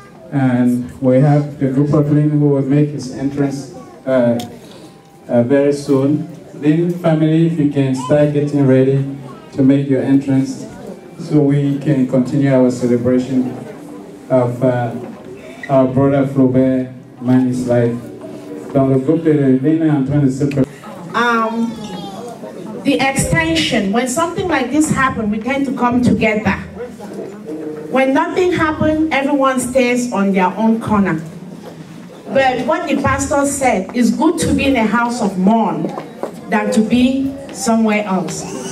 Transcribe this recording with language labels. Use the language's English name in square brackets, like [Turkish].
[English] And we have the group of Lynn who will make his entrance very soon. Lynn family, if you can start getting ready to make your entrance so we can continue our celebration of our brother Flaubert, Manny's life. [French] Donc le groupe de Lynn est en train de se préparer. [English] The extension, when something like this happens, we tend to come together. When nothing happens, everyone stays on their own corner. But what the pastor said, it's good to be in a house of mourn than to be somewhere else.